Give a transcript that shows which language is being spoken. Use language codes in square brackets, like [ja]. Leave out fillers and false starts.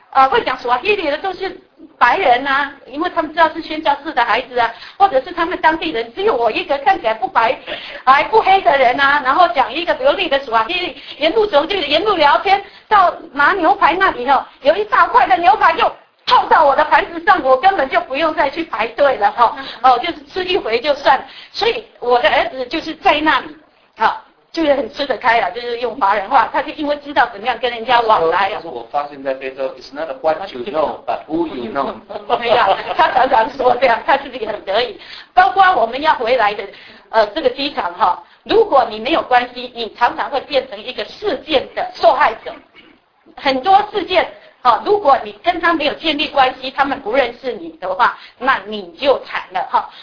[zh] 会讲斯瓦希里的都是白人啊，因为他们知道是宣教士的孩子啊，或者是他们当地人，只有我一个看起来不白还不黑的人啊，然后讲一个流利的斯瓦希里，沿路走就沿路聊天，到拿牛排那里哦，有一大块的牛排就套到我的盘子上，我根本就不用再去排队了哦，就是吃一回就算了。所以我的儿子就是在那里好，就是很吃得开了，就是用华人话，他就因为知道怎么样跟人家往来啊。我发现在非洲 [en] ，It's not what you know, but who you know。 [zh] 对呀，他常常说这样，他自己很得意。包括我们要回来的，这个机场哈，如果你没有关系，你常常会变成一个事件的受害者。很多事件，哈，如果你跟他没有建立关系，他们不认识你的话，那你就惨了哈。